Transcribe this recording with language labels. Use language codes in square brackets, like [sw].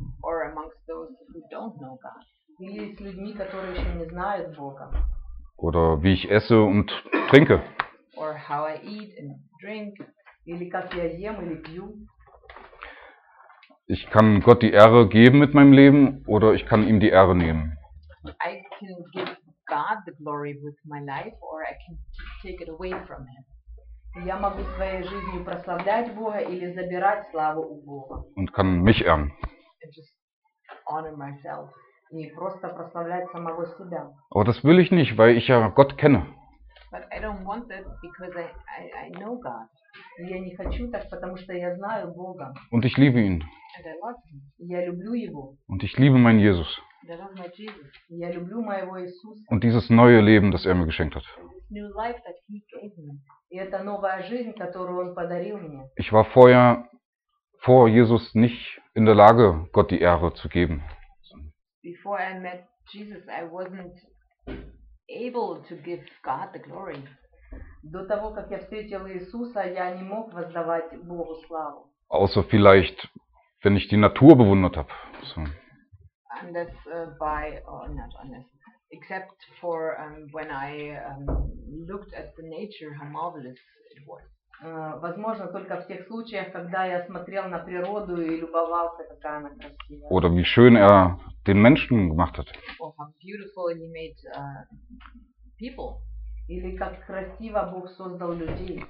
[en] Or amongst those who don't know God. [ru] Или с людьми, которые еще не знают Бога. [de] Oder wie ich esse und trinke. [en] Or how I eat and drink. [ru] Или как я ем или пью. [de] Ich kann Gott die Ehre geben mit meinem Leben oder ich kann ihm die Ehre nehmen. [en] I can give God the glory with my life or I can take it away from him. [ru] Я могу своей жизнью прославлять Бога или забирать славу у Бога. [de] Und kann mich ehren. [en] And just honor myself. [ru] И просто прославлять самого себя. [de] Aber das will ich nicht, weil ich ja Gott kenne. [en] But I don't want that because I know God. [ru] Я не хочу так, потому что я знаю Бога. [de] Und ich liebe ihn. [en] And I love him. [ru] Я люблю его. [de] Und ich liebe meinen Jesus. [en] And I love my Jesus. [ru] Я люблю моего Иисуса. [de] Und dieses neue Leben, das er mir geschenkt hat. [en] New life that he gave me. [ru] И это новая жизнь, которую он подарил мне. [de] Ich war vorher vor Jesus nicht in der Lage, Gott die Ehre zu geben. [en] Before I met Jesus, I wasn't able to give God the glory. [ru] До того, как я встретил Иисуса, я не мог воздавать Богу славу. [de] Außer vielleicht, wenn ich die Natur bewundert habe. [en] So. Unless by, or not unless, except for when I looked at the nature, how marvelous it was. [ru] Возможно, только в тех случаях, когда я смотрел на природу и любовался, какая она красивая. [de] Oder wie schön er den Menschen gemacht hat. [en] Or how beautiful he made people. [ru] Или как красиво Бог создал людей.